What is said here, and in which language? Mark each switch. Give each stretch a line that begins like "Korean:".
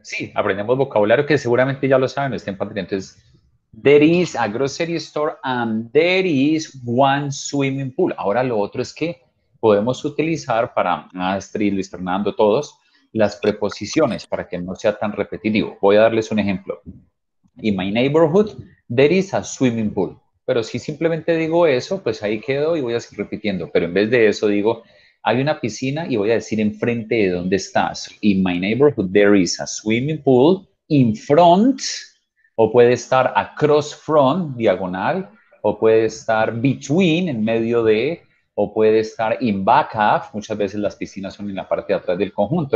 Spanish: Sí, aprendemos vocabulario que seguramente ya lo saben, estén pendientes.
English: Entonces, there is a grocery store and there is one swimming pool.
Spanish: Ahora lo otro es que podemos utilizar para Astrid, Luis Fernando, todos, las preposiciones para que no sea tan repetitivo. Voy a darles un ejemplo.
English: In my neighborhood, there is a swimming pool.
Spanish: Pero si simplemente digo eso, pues ahí quedo y voy a seguir repitiendo. Pero en vez de eso digo, hay una piscina y voy a decir enfrente de dónde estás.
English: In my neighborhood, there is a swimming pool. In front,
Spanish: o puede estar
English: across front,
Spanish: diagonal, o puede estar
English: between,
Spanish: en medio de, o puede estar
English: in back half.
Spanish: Muchas veces las piscinas son en la parte de atrás del conjunto.